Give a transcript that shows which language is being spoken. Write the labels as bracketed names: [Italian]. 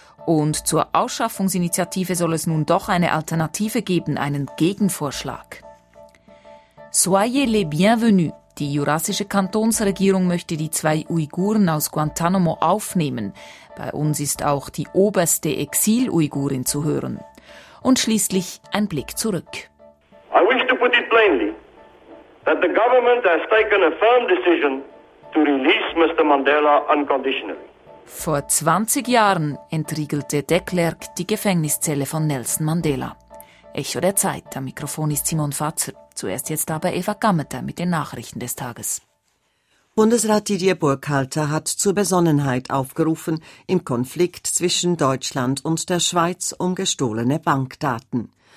[German] Und zur Ausschaffungsinitiative soll es nun doch eine Alternative geben, einen Gegenvorschlag. [French] Soyez les bienvenus. [German] Die jurassische Kantonsregierung möchte die zwei Uiguren aus Guantanamo aufnehmen. Bei uns ist auch die oberste Exil-Uigurin zu hören. Und schließlich ein Blick zurück. [English] I wish to put it plainly that the government has taken a firm decision to release Mr. Mandela unconditionally. [German] Vor 20 Jahren entriegelte de Klerk die Gefängniszelle von Nelson Mandela. Echo der Zeit, am Mikrofon ist Simon Fazer. Zuerst jetzt aber Eva Gammeter mit den Nachrichten des Tages. Bundesrat Didier Burkhalter hat zur Besonnenheit aufgerufen im Konflikt zwischen Deutschland und der Schweiz um gestohlene Bankdaten.